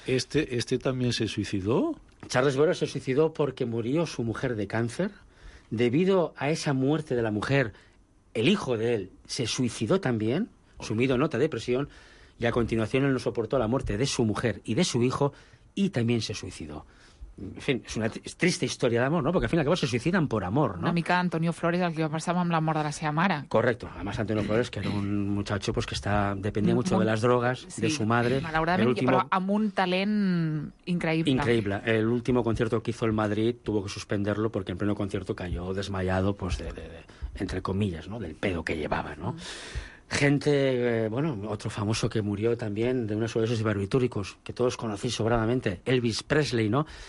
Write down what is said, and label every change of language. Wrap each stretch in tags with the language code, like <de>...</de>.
<es>este también se suicidó. Charles Boyer se suicidó porque murió su mujer de cáncer. Debido a esa muerte de la mujer, el hijo de él se suicidó también, sumido en otra depresión, y a continuación él no soportó la muerte de su mujer y de su hijo, y también se suicidó. En fin,</es> <ca>és una triste història d'amor, no? Perquè</ca> <es>al fin y al cabo se suiciden por amor, no?</es> <ca>Una mica Antonio Flores, el que va passar amb la mort de la seva mare.</ca> <es>Correcto. Además, Antonio Flores, que era un muchacho pues, que dependía mucho de las drogas, sí, de su madre.</es> <ca>Malauradament,</ca> <es>último...</es> <ca>però amb un talent increïble. Increïble.</ca> <es>El último concierto que hizo el Madrid tuvo que suspenderlo porque en pleno concierto cayó desmayado, pues, de entre comillas, ¿no? Del pedo que llevaba, ¿no? Gente, bueno, otro famoso que murió también de una sobredosis de barbitúricos, que todos conocéis sobradamente, Elvis Presley, ¿no?</es>